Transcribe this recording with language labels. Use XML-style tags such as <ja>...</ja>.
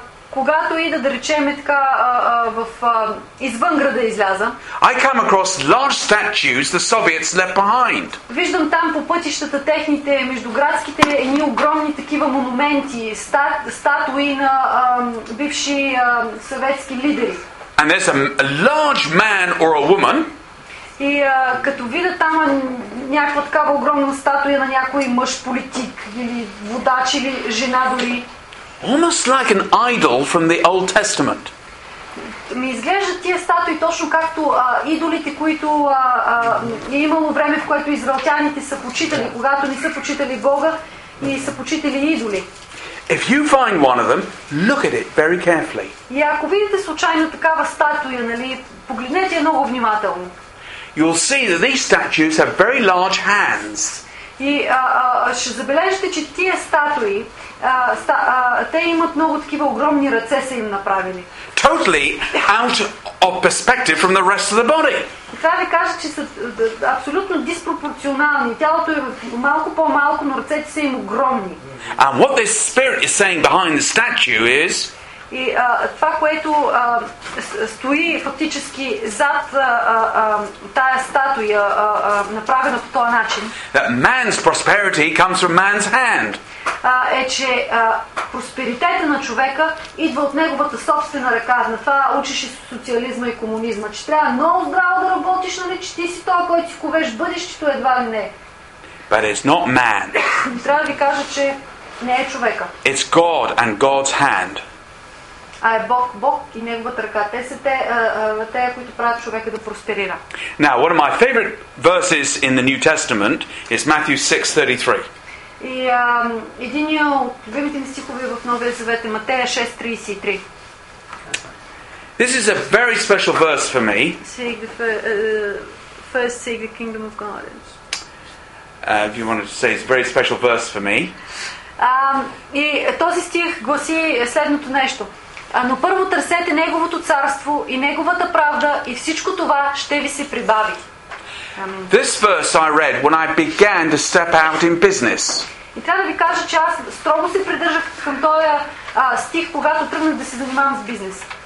<bg>Когато ида, да речем, така извън града изляза,</bg> <en>I come across large statues the Soviets left behind.</en> <bg>Виждам там по пътищата техните междуградските едни огромни такива монументи, статуи на бивши съветски лидери.</bg> <en>And there's a large man or a woman.</en> <bg>И като видя там някаква такава огромна статуя на някой мъж политик или водач или жена дори.</bg> <en>Almost like an idol from the Old Testament.</en> <bg>Ми изглеждат тия статуи точно както идолите, които е имало време, в което израелтяните са почитали, когато не са почитали Бога и са почитали идоли.</bg> <en>If you find one of them, look at it very carefully.</en> <bg>И ако видите случайно такава статуя, нали, погледнете я много внимателно.</bg> <en>You'll see that these statues have very large hands.</en> <bg>И ще забележите, че тия статуи, те имат много такива огромни ръце, са им направили.</bg> <en>Totally out of perspective from the rest of the body.</en> <bg>Това ви кажа, че са абсолютно диспропорционални. Тялото е малко по-малко, но ръцете са им огромни.</bg> <en>And what this spirit is saying behind the statue is...</en> <bg>И това, което стои фактически зад тая статуя, направена по този начин,</bg> <en>that man's prosperity comes from man's hand.</en> <bg>Е, че просперитета на човека идва от неговата собствена ръка. На това учиш и социализма и комунизма, че трябва много здраво да работиш, нали, че ти си той, който си ковеш бъдещето, едва ли не.</bg> <en>But it's not man.</en> <bg>Трябва да ви кажа, че не е човека.</bg> <en>It's God and God's hand.</en> <bg>А е Бог, Бог и неговата ръка. Те са те, които правят човека да просперира.</bg> <en>Now, one of my favorite verses in the New Testament is Matthew 6:33.</en> <bg>И един от любимите ми стихове в Новия Завет е Матея 6:33.</bg> <en>This is a very special verse for me. Seek the first seek the kingdom of God. If you wanted to say it's a very special verse for me.</en> <bg>И този стих гласи следното нещо. Но първо търсете Неговото царство и Неговата правда и всичко това ще ви се прибави.</bg> <en>This verse I read when I began to step out in business.</en> <bg>И трябва да ви кажа, че аз строго се придържах към този стих, когато тръгнах да се занимавам с бизнес.</bg>